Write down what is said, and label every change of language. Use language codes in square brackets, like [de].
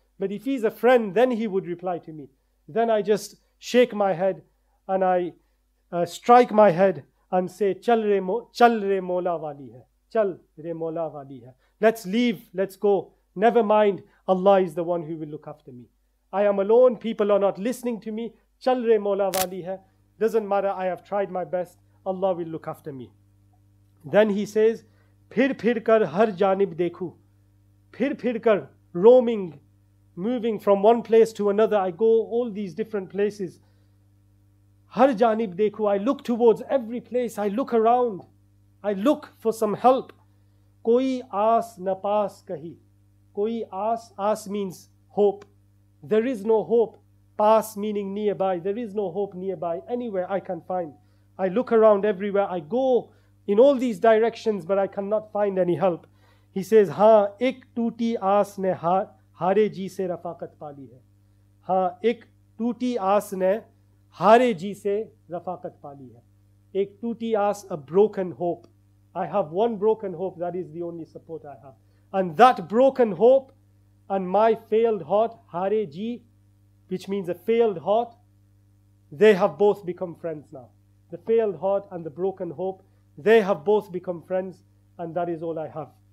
[en] But if he's a friend, then he would reply to me. Then I just shake my head and I strike my head and say, [ur] چل رے مولا والی ہے. [en] چل رے مولا والی ہے. Let's leave. Let's go. Never mind. Allah is the one who will look after me. I am alone. People are not listening to me. [ur] چل رے مولا والی ہے. [en] Doesn't matter. I have tried my best. Allah will look after me. [ur] Then he says, پھر پھر کر ہر جانب دیکھوں. پھر پھر کر, [en] roaming, moving from one place to another. I go all these different places. [ur] ہر جانب دیکھوں. [en] I look towards every place. I look around. I look for some help. [ur] Koi aas na paas kahi. [en] Koi aas. Aas means hope. There is no hope. Pass meaning nearby. There is no hope nearby. Anywhere I can find. I look around everywhere. I go in all these directions, but I cannot find any help. [ur] He says, ہاں, ایک ٹوٹی آس نے ہارے جی سے رفاقت پالی ہے. ہاں, ایک ٹوٹی آس نے ہارے جی سے رفاقت پالی ہے. ایک ٹوٹی آس, [en] a broken hope. I have one broken hope. That is the only support I have. And that broken hope and my failed heart, [ur] hare ji, [en] which means a failed heart, they have both become friends now. The failed heart and the broken hope, they have both become friends, and that is all I have.